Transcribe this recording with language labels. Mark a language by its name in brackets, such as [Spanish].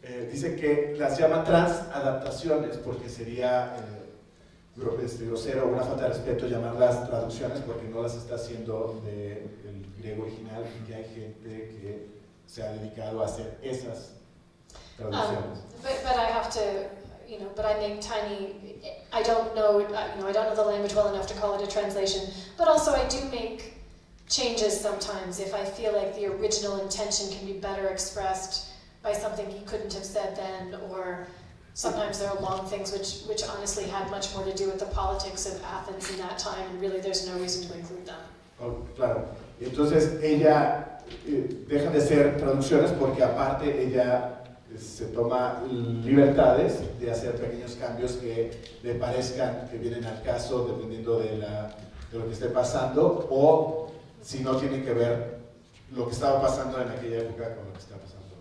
[Spanish] dice que las llama transadaptaciones porque sería grosero, una falta de respeto llamarlas traducciones porque no las está haciendo del griego original y hay gente que se ha dedicado a hacer esas traducciones. [English] But I have to, you know, but I make tiny, I don't know the language well enough to call it a translation, but also I do make changes sometimes if I feel like the original intention can be better expressed by something he couldn't have said then, or sometimes there are long things which honestly had much more to do with the politics of Athens in that time, and really there's no reason to include them. [Spanish] Oh, claro. Entonces ella deja de ser traducciones porque aparte ella se toma libertades de hacer pequeños cambios que le parezcan que vienen al caso dependiendo de lo que esté pasando, o si no tiene que ver lo que estaba pasando en aquella época con lo que está pasando.